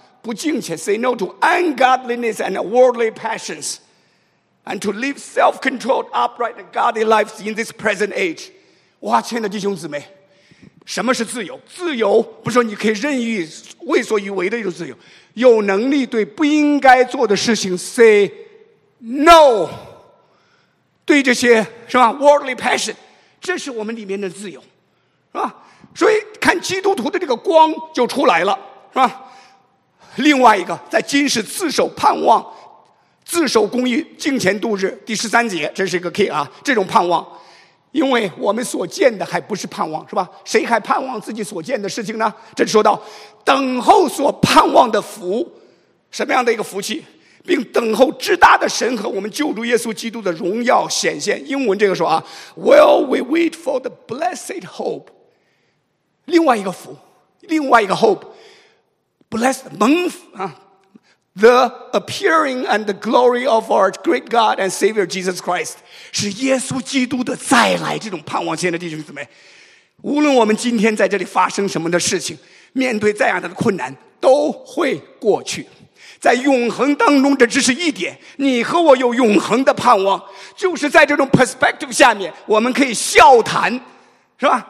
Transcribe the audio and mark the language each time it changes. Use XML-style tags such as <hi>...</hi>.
<zh>不敬虔</zh> <en>say no to ungodliness and worldly passions. And to live self-controlled, upright, and godly lives in this present age.</en> <zh>哇，亲爱的弟兄姊妹，什么是自由？自由不是说你可以任意为所欲为的一种自由，有能力对不应该做的事情</zh> <en>say no，</en> <zh>对这些是吧</zh> <en>worldly passion，</en> <zh>这是我们里面的自由，是吧？所以看基督徒的这个光就出来了，是吧？另外一个，在今世自守盼望，自守公义，敬虔度日，第十三节，这是一个 key 啊，这种盼望。因为我们所见的还不是盼望，是吧？谁还盼望自己所见的事情呢？这说到等候所盼望的福，什么样的一个福气，并等候至大的神和我们救主耶稣基督的荣耀显现。英文这个说啊</zh> <en>，Will we wait for the blessed hope？</en> <zh>另外一个福，另外一个</zh> <en>hope，blessed</en> <zh>蒙福啊</zh> <en>，the appearing and the glory of our great God and Savior Jesus Christ。</en> <zh>是耶稣基督的再来这种盼望，亲爱的弟兄姊妹，无论我们今天在这里发生什么的事情，面对再样的困难都会过去，在永恒当中，这只是一点，你和我有永恒的盼望，就是在这种 perspective 下面，我们可以笑谈，是吧？</zh>